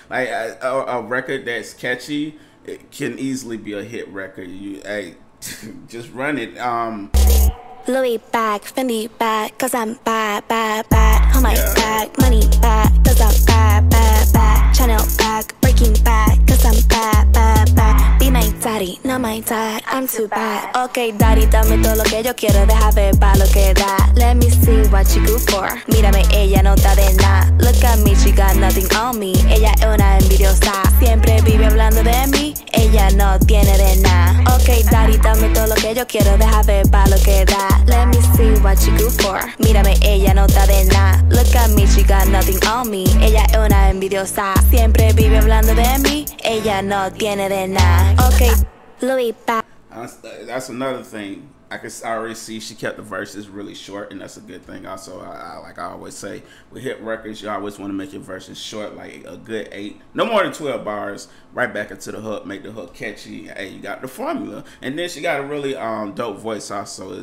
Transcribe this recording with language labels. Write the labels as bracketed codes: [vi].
[en] Like a record that's catchy, it can easily be a hit record. Just run it. Louis bag, Fendi bag, cause I'm bad, bad, bad. Oh my god, money bag, cause I'm bad, bad, bad. Chanel bag, Breaking bag, cause I'm bad, bad, bad. Be my daddy, not my dad, I'm too bad. Okay, daddy, [es] dame todo lo que yo quiero, deja ver pa' lo que da. [en] Let me see what you good for. [es] Mírame, ella no está de nada. [en] Look at me, she got nothing on me. [es] Ella es una envidiosa. Siempre vive hablando de mí, ella no tiene de nada. [en] Okay, daddy, [es] dame todo lo que yo quiero, deja ver pa' lo que da. [en] Let me see what you good for. [es] Mírame, ella no está de nada. [en] Look at me, she got nothing on me. [es] Ella es una envidiosa. Siempre vive hablando de mí, ella no tiene de nada. [en] Okay, Louis bag. That's another thing. I already see she kept the verses really short, and that's a good thing. Also, I always say, with hit records, you always want to make your verses short, like a good 8, no more than 12 bars, right back into the hook, make the hook catchy. Hey, you got the formula. And then she got a really dope voice also.